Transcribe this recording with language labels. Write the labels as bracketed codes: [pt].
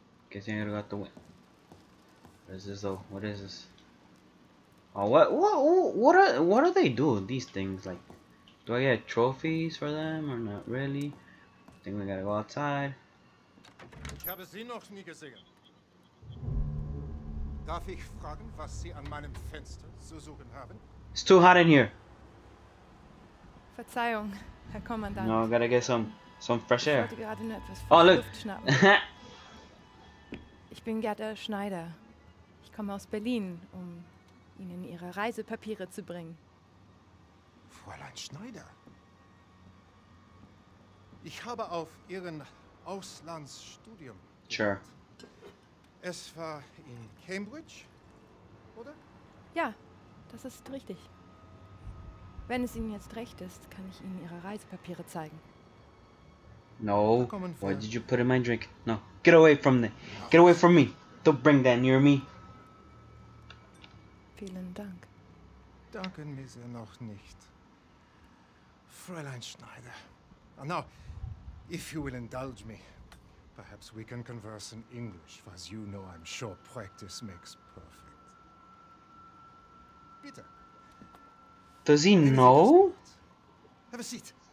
[en] Guessing you got the win. What is this though? What is this? Oh, what do they do? These things, like, do I get trophies for them or not really? I think we gotta go outside. [de] Ich habe Sie noch nie gesehen. Darf ich fragen, was Sie an meinem Fenster zu suchen haben? [en] It's too hot in here. [de] Verzeihung, Herr Kommandant. [en] No, I gotta get some fresh air. [de] Ich wollte gerade nur etwas frische Luft schnappen. Ich bin Gerda Schneider. Ich komme aus Berlin, um Ihnen Ihre Reisepapiere zu bringen. Fräulein Schneider. Ich habe auf Ihren Auslandsstudium. [en] Sure. [de] Es war in Cambridge, oder? Ja, das ist richtig. Wenn es Ihnen jetzt recht ist, kann ich Ihnen Ihre Reisepapiere zeigen. [en] No. Why did you put in my drink? No. Get away from me. Get away from me. Don't bring that near me. [de] Vielen Dank. Danken mir sie noch nicht. Fräulein Schneider. [en] Oh, now, if you will indulge me, perhaps we can converse in English, as you know, I'm sure practice makes perfect. [de] Bitte. [en] Does he know? Have a seat.